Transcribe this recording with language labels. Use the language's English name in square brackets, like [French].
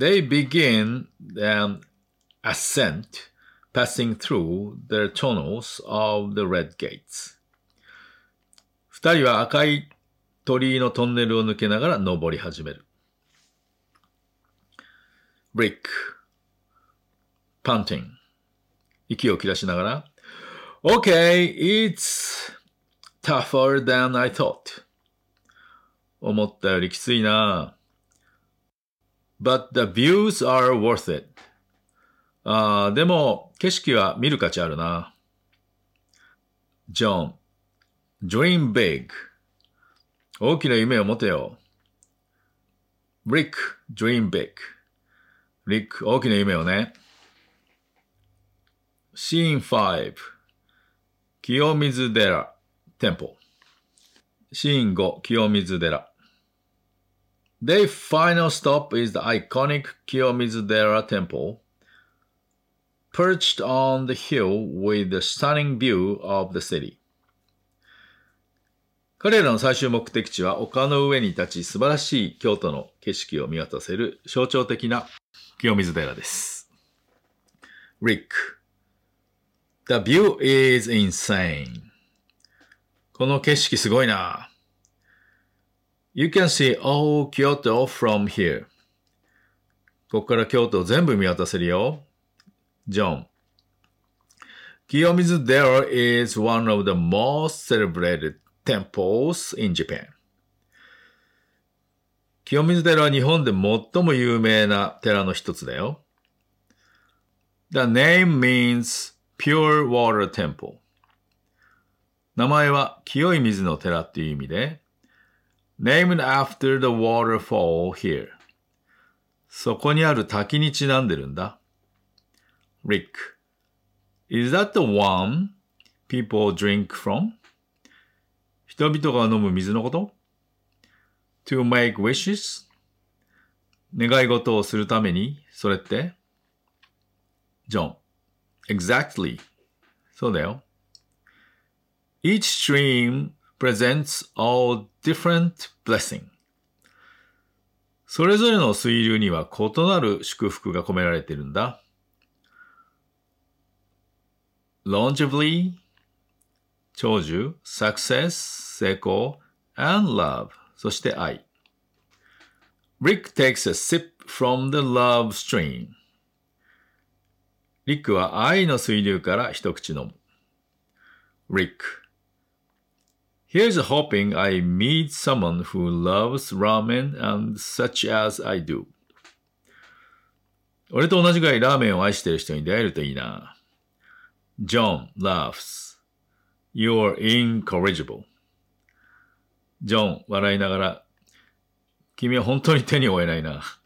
[English] They begin an ascent passing through the tunnels of the Red Gates. [Japanese] 二人は赤い鳥居のトンネルを抜けながら登り始める。 [English] Rick, panting. [Japanese] 息を切らしながら。 [English] Okay, it's tougher than I thought. [Japanese] 思ったよりきついな。 [English] But the views are worth it. [Japanese] ああ、でも景色は見る価値あるな。 [English] John, dream big. [Japanese] 大きな夢を持てよ。 [English] Rick, dream big. [Japanese] Rick, 大きな夢をね。 [English] Scene 5. [Japanese] 清水寺、テンポ。 [English] Scene 5, [Japanese] 清水寺。 [English] Their final stop is the iconic 清水寺 temple, perched on the hill with the stunning view of the city. [Japanese] 彼らの最終目的地は丘の上に立ち素晴らしい京都の景色を見渡せる象徴的な清水寺です。 [English] Rick, the view is insane. [Japanese] この景色すごいな。 [English] You can see all Kyoto from here. [Japanese] ここから京都を全部見渡せるよ。 [English] John, 清水寺 is one of the most celebrated. Temples in Japan. [Japanese] 清水寺は日本で最も有名な寺の一つだよ。 [English] The name means pure water temple. [Japanese] 名前は清い水の寺っていう意味で、 [English] named after the waterfall here. [Japanese] そこにある滝にちなんでるんだ。 [English] Rick, is that the one people drink from? [Japanese] 人々が飲む水のこと? [English] To make wishes? [Japanese] 願い事をするために、それって? [English] John, exactly. [Japanese] そうだよ。 [English] Each stream presents all different blessing. [Japanese] それぞれの水流には異なる祝福が込められているんだ。 [English] Longevity? [Japanese] 長寿、 [English] success, [Japanese] 成功、 [English] and love, [Japanese] そして愛。 [English] Rick takes a sip from the love stream. [Japanese] リックは愛の水流から一口飲む。 [English] Rick, here's hoping I meet someone who loves ramen and such as I do. [Japanese] 俺と同じぐらいラーメンを愛してる人に出会えるといいな。 [English] John laughs. You're incorrigible. [Japanese] ジョン、笑いながら、君は本当に手に負えないな。